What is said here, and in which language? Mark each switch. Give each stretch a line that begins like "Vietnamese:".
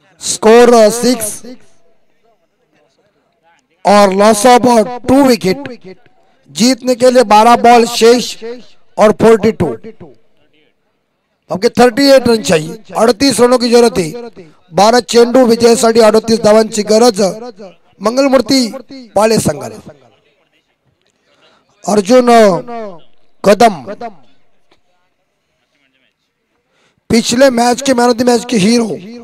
Hindi: Score 6 और loss of 2 wicket. जीतने के लिए 12 बॉल शेष और 42 आपके 38 रन चाहिए, 38 रनों की जरूरत है।
Marathi: 12 चेंडू विजय साठी 38 धावांची गरज।
Hindi: मंगलमूर्ति पाले संघाला अर्जुन कदम पिछले मैच के मैन ऑफ द मैच के हीरो।